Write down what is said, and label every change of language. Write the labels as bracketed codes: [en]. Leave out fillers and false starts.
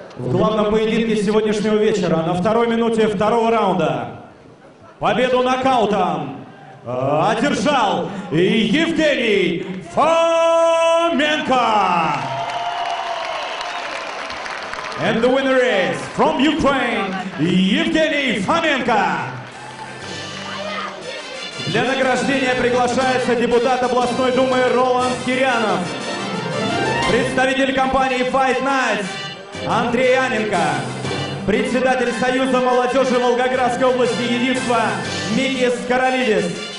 [ru] Сегодняшнего вечера на второй минуте второго раунда победу нокаутом одержал Евгений Фоменко. [en] And the winner is from Ukraine, Евгений Фоменко. [ru] Для награждения приглашается депутат областной думы Роланд Кирянов, представитель компании Fight Nights Андрей Аненко, председатель Союза молодежи Волгоградской области «Единство» Микис Каролидис.